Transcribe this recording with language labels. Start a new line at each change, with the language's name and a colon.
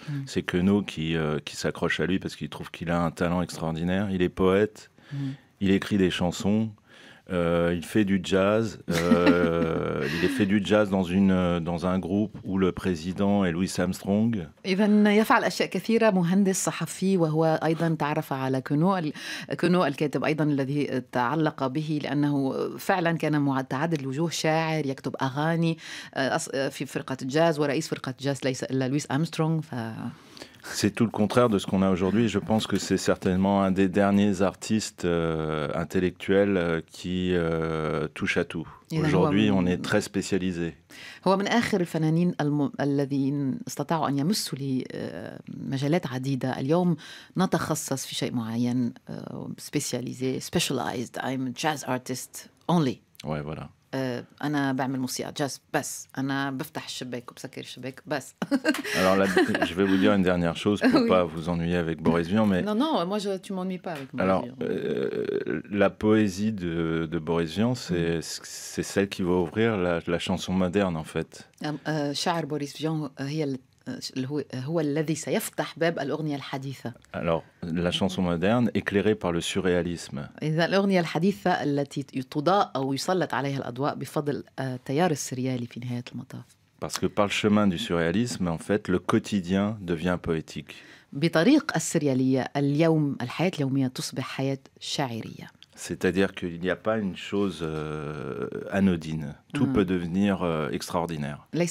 French: C'est Queneau qui s'accroche à lui parce qu'il trouve qu'il a un talent extraordinaire, il est poète. Il écrit des chansons. Il fait du jazz. il fait du jazz dans un groupe où le président est Louis Armstrong.
Arabic: إذن يفعل أشياء كثيرة مهندس صحفي وهو أيضا تعرف على كنو الكاتب أيضا الذي تعلق به لأنه فعلا كان متعدد الوجوه شاعر يكتب أغاني في فرقة الجاز ورئيس فرقة الجاز ليس إلا لويس أرمسترونغ.
French: C'est tout le contraire de ce qu'on a aujourd'hui. Je pense que c'est certainement un des derniers artistes intellectuels qui touche à tout. Aujourd'hui, on est très spécialisé.
Arabic: هو من آخر الفنانين الذين استطاعوا أن يمسوا لي مجالات عديدة. اليوم نتخصص في شيء معين.
English: Specialized. I'm a jazz artist only.
French: Ouais, voilà.
Arabic: أنا بعمل موسيقى جاز بس أنا بفتح الشباك وبسكر الشباك بس.
French: Alors là, je vais vous dire une dernière chose pour pas vous ennuyer avec Boris Vian, mais non non, moi je tu m'ennuies pas avec Boris. Alors la poésie de Boris Vian, c'est celle qui va ouvrir la chanson moderne en fait.
Arabic: شعر بوريس فيان هي هو الذي سيفتح باب الأغنية الحديثة.
French: Alors la chanson moderne éclairée par le surréalisme.
Arabic: إذا الأغنية الحديثة التي تضاء أو يسلط عليها الأضواء بفضل التيار السريالي في نهاية المطاف.
French: Parce que par le chemin du surréalisme, en fait, le quotidien devient poétique.
Arabic: بطريق السريالية اليوم الحياة اليومية تصبح حياة شاعرية.
French: C'est-à-dire qu'il n'y a pas une chose anodine. Tout peut devenir extraordinaire.